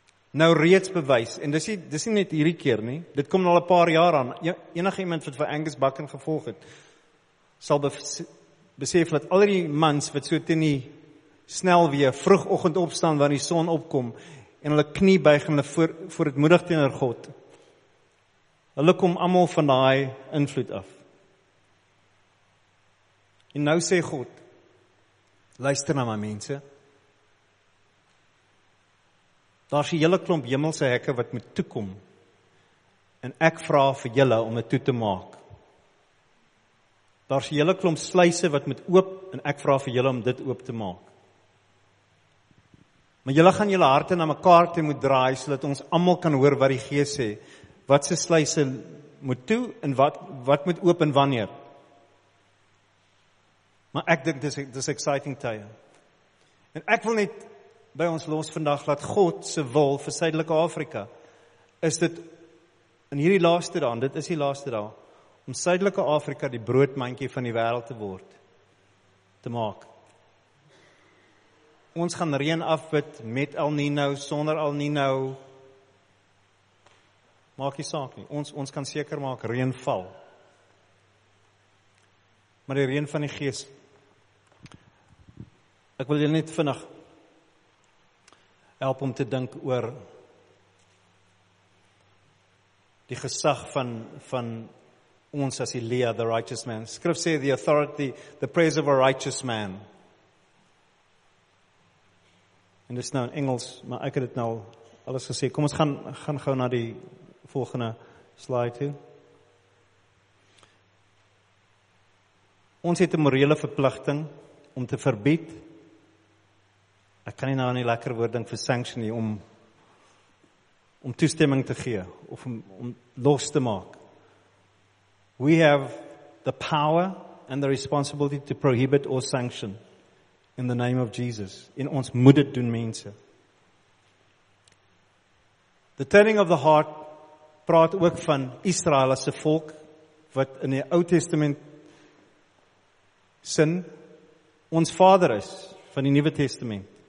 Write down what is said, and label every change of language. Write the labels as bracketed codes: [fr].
[af] nou reeds bewys en dis nie net hierdie keer nie, dit kom al 'n paar jaar aan, enige iemand wat vir Angus Bakken gevolg het sal besef dat al die mans wat so teen die snelweë vroegoggend opstaan wanneer die son opkom en hulle knie buig en hulle voor het moedig teenoor God. Hulle kom allemaal van daai invloed af. En nou sê God, luister na my mense, daar is die hele klomp hemelse hekke wat moet toekom, en ek vra vir julle om dit toe te maak. Daar is die hele klomp sluise wat moet oop, en ek vra vir julle om dit oop te maak. Maar julle gaan julle harte na mekaar toe moet draai, sodat ons allemaal kan hoor wat die Gees sê. Wat se sluise moet toe, en wat moet oop en wanneer. Maar ek dink, dis exciting tye. En ek wil net by ons los vandag, dat God se wil vir Suidelike Afrika, is dit, in hierdie laaste dag, dit is die laaste dag, om Suidelike Afrika die broodmandjie van die wêreld te word, te maak. Ons gaan reën afbid met El Nino, sonder El Nino. Maak nie saak nie. Ons kan seker maak reën val. Maar die reën van die Gees. Ek wil julle net vinnig help om te dink oor die gesag van ons as Elia, the righteous man. Skrif sê the authority, the praise of a righteous man. En dit is nou in Engels, maar ek het dit nou alles gesê. Kom, ons gaan gauw na die volgende slide toe. Ons het 'n morele verpligting om te verbied. Ek kan nie nou nie lekker woord ding vir sanction nie, om toestemming te gee, of om los te maak. [en] We have the power and the responsibility to prohibit or sanction. In the name of Jesus. [af] In ons moet dit doen mense. The turning of the heart praat ook van Israel as 'n volk wat in die Ou Testament sin ons vader is van die Nuwe Testament.